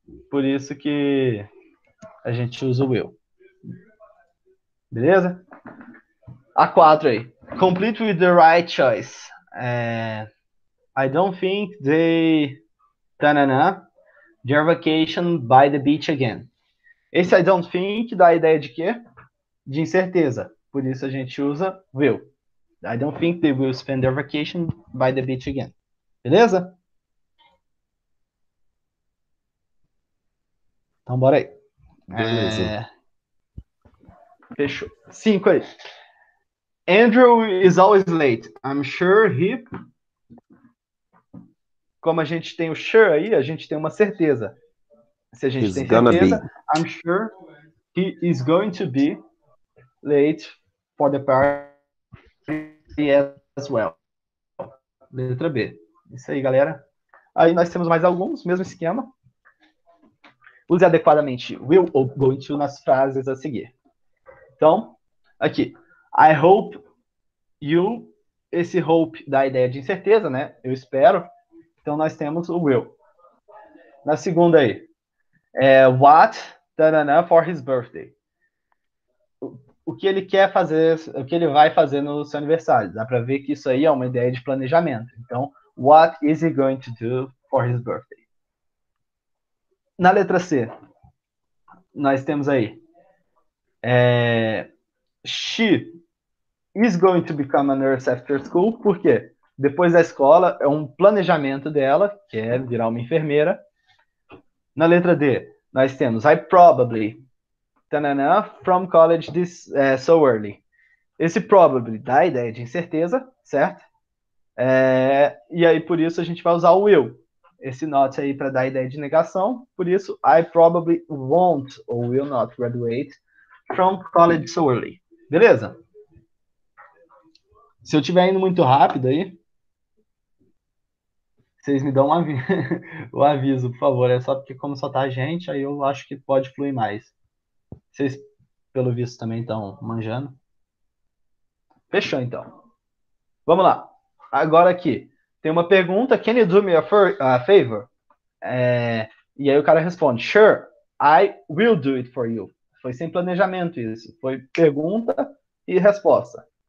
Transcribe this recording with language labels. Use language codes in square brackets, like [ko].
[pt] Por isso que a gente usa o will. Beleza? A4 aí. [en] Complete with the right choice. I don't think they. Tanana. Your vacation by the beach again. [pt] Esse [en] I don't think [pt] dá a ideia de quê? De incerteza. Por isso a gente usa will. [en] I don't think they will spend their vacation by the beach again. [pt] Beleza? Então, bora aí. Beleza. Fechou. Cinco aí. [en] Andrew is always late. I'm sure he. [pt] Como a gente tem o sure aí, a gente tem uma certeza. Se a gente [en] He's [pt] tem [en] gonna [pt] certeza, [en] be. I'm sure he is going to be late for the party as well. [pt] Letra B. Isso aí, galera. Aí nós temos mais alguns, mesmo esquema. Use adequadamente will ou going to nas frases a seguir. Então, aqui. [en] I hope you. [pt] Esse hope dá a ideia de incerteza, né? Eu espero. Então nós temos o will. Na segunda aí. [en] What tarana, for his birthday? [pt] O que ele quer fazer, o que ele vai fazer no seu aniversário? Dá para ver que isso aí é uma ideia de planejamento. [en] Então, what is he going to do for his birthday? [pt] Na letra C, nós temos aí. [en] She is going to become a nurse after school. [pt] Por quê? Depois da escola, é um planejamento dela, que é virar uma enfermeira. Na letra D, nós temos [en] I probably, tanana, from college this so early. [pt] Esse probably dá a ideia de incerteza, certo? E aí, por isso, a gente vai usar o will. Esse not aí para dar ideia de negação. Por isso, [en] I probably won't or will not graduate from college so early. [pt] Beleza? Se eu estiver indo muito rápido aí, vocês me dão o aviso, por favor. É só porque como só tá a gente, aí eu acho que pode fluir mais. Vocês, pelo visto, também estão manjando. Fechou, então. Vamos lá. Agora aqui. Tem uma pergunta, [en] can you do me a favor? [pt] E aí o cara responde, [en] sure, I will do it for you. [pt] Foi sem planejamento isso. Foi pergunta e resposta.